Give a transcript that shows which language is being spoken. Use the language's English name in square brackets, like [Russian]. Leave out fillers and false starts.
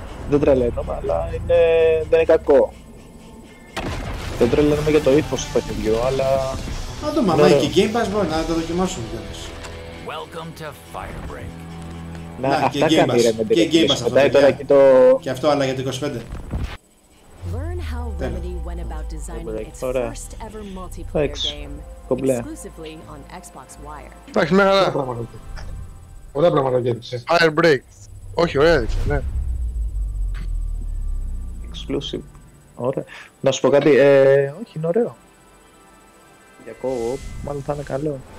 [Greek] Δεν τρελαίνομαι, αλλά είναι... δεν είναι κακό. Δεν τρελαίνομαι για το ύφος του παιχνιδιού, αλλά... Να το μαμά, και Game Pass μπορεί να το δοκιμάσουμε κιόλας. [English] Welcome to [Greek] Firebreak. Να, αυτά κάνει ρε με την Game Pass αυτό, τώρα και το... Και αυτό άλλα για το 25. [English] Learn how Remedy went about designing its first ever multiplayer game. Exclusively on [Greek] Xbox Wire. Εντάξει, με χαρά. Ωραία πράγματα γέννησε. Firebreak. Όχι, ωραία έτσι, ναι. Exclusive. Ωραία. Να σου πω κάτι, όχι είναι ωραίο. Για co-op, μάλλον θα είναι καλό.